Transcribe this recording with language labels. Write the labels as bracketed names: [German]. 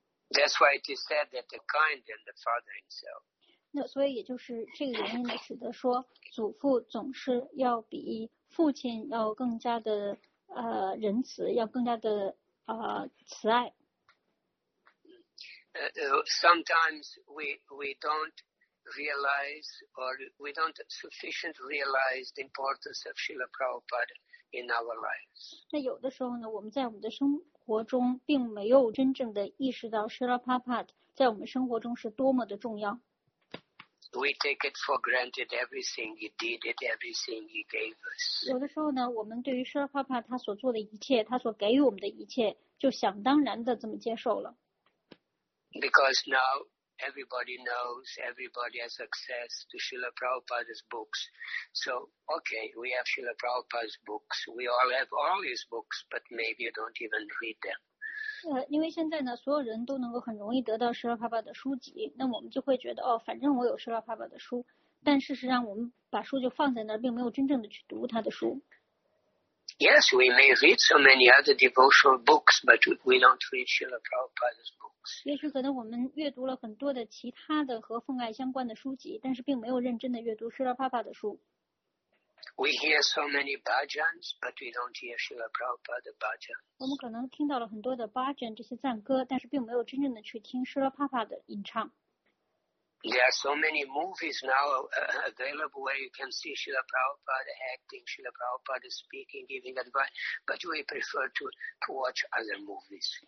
[English] That's why it is said that the kind and the father himself. [Chinese] 那所以也就是这个原因呢，使得说祖父总是要比父亲要更加的仁慈，要更加的慈爱。 [English] Sometimes we don't realize or we don't sufficiently realize the importance of Srila Prabhupada in our lives. [Chinese] 那有的时候呢，我们在我们的生活中并没有真正的意识到 Srila Prabhupada 在我们生活中是多么的重要。 [English] We take it for granted everything he did, it, everything he gave us. [Chinese] 有的时候呢，我们对于舍拉帕帕他所做的一切，他所给予我们的一切，就想当然的这么接受了。 [English] Because now everybody knows, everybody has access to Srila Prabhupada's books. So, okay, we have Srila Prabhupada's books. We all have all his books, but maybe you don't even read them. [Chinese] 因为现在呢，所有人都能够很容易得到舍拉帕帕的书籍，那我们就会觉得哦，反正我有舍拉帕帕的书，但事实上我们把书就放在那儿，并没有真正的去读他的书。 [English] Yes, we may read so many other devotional books, but we don't read Srila Prabhupada's books. [Chinese] 也许可能我们阅读了很多的其他的和奉爱相关的书籍，但是并没有认真的阅读舍拉帕帕的书。 [English] We hear so many bhajans, but we don't hear Srila Prabhupada's bhajans. [Chinese] 我们可能听到了很多的 bhajan 这些赞歌，但是并没有真正的去听 Srila Prabhupada 的吟唱。 [English] There are so many movies now available where you can see Srila Prabhupada acting, Srila Prabhupada speaking, giving advice, but we prefer to watch other movies.